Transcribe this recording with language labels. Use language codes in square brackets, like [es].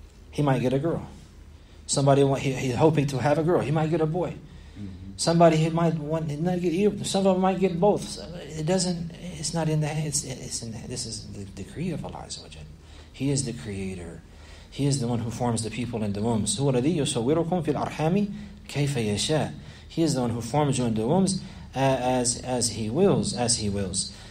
[en] He might get a girl. Somebody he's hoping to have a girl. He might get a boy. Mm-hmm. Somebody who might want not get either. Some of them might get both. It doesn't. It's not in the. It's in the. This is the decree of Allah Azza wa Jal. He is the creator. He is the one who forms the people in the wombs. [ar] هو الذي يصوركم في الأرحام كيف يشاء. [en] He is the one who forms you in the wombs as He wills, as He wills.